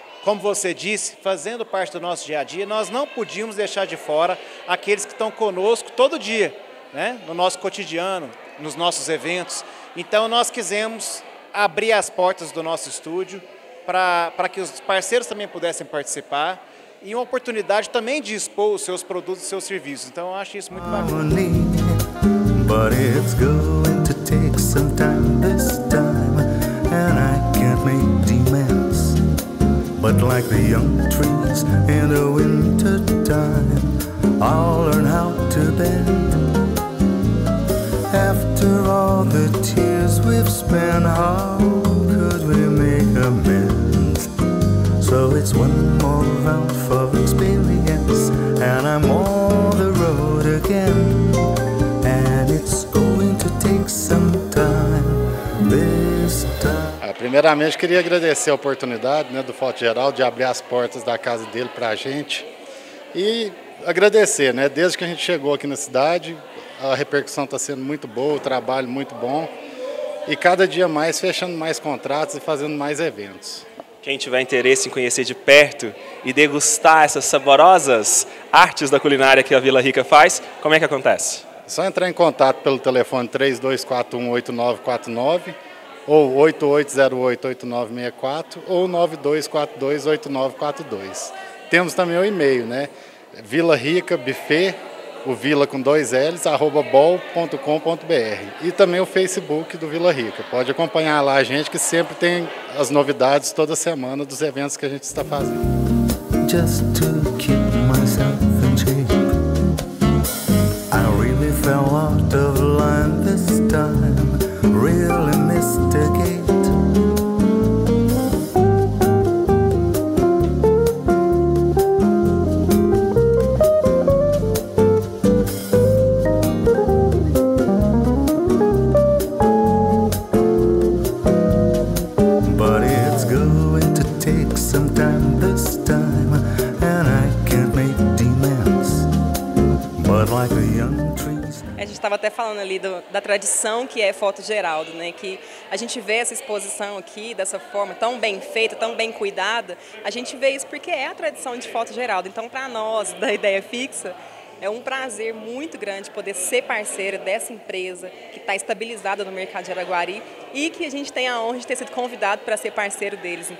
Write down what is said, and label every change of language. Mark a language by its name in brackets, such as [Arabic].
[Portuguese] Como você disse, fazendo parte do nosso dia a dia, nós não podíamos deixar de fora aqueles que estão conosco todo dia, né? No nosso cotidiano, nos nossos eventos. Então nós quisemos abrir as portas do nosso estúdio para que os parceiros também pudessem participar. E uma oportunidade também de expor os seus produtos e seus serviços. Então eu acho isso muito bacana. [English] But it's going to take some time this time, and I can't make demands. But like the young trees in the winter time, I'll learn how to bend. After all the tears we've spent, how could we make amends? So it's one more round for experience, and I'm on the road again. And it's going to take some time, this time. [Portuguese] Primeiramente, queria agradecer a oportunidade, né, do Foto Geraldo de abrir as portas da casa dele para a gente. E agradecer, né, desde que a gente chegou aqui na cidade, a repercussão está sendo muito boa, o trabalho muito bom. E cada dia mais, fechando mais contratos e fazendo mais eventos. Quem tiver interesse em conhecer de perto e degustar essas saborosas artes da culinária que a Vila Rica faz, como é que acontece? É só entrar em contato pelo telefone 3241-8949 ou 8808-8964 ou 92428942. Temos também o e-mail, né? Vila Rica Buffet, o Vila com dois L's, @bol.com.br. E também o Facebook do Vila Rica. Pode acompanhar lá a gente, que sempre tem as novidades toda semana dos eventos que a gente está fazendo. [English] Just to keep myself in shape. I really fell out of line this time. Really missed a gate. But it's going to take some time this time, and I can't make demands. But like a young trees. [Portuguese] A gente estava até falando ali da tradição que é Foto Geraldo, né? Que a gente vê essa exposição aqui dessa forma tão bem feita, tão bem cuidada. A gente vê isso porque é a tradição de Foto Geraldo. Então, para nós, da Ideia Fixa, é um prazer muito grande poder ser parceira dessa empresa que está estabilizada no mercado de Araguari e que a gente tem a honra de ter sido convidado para ser parceiro deles.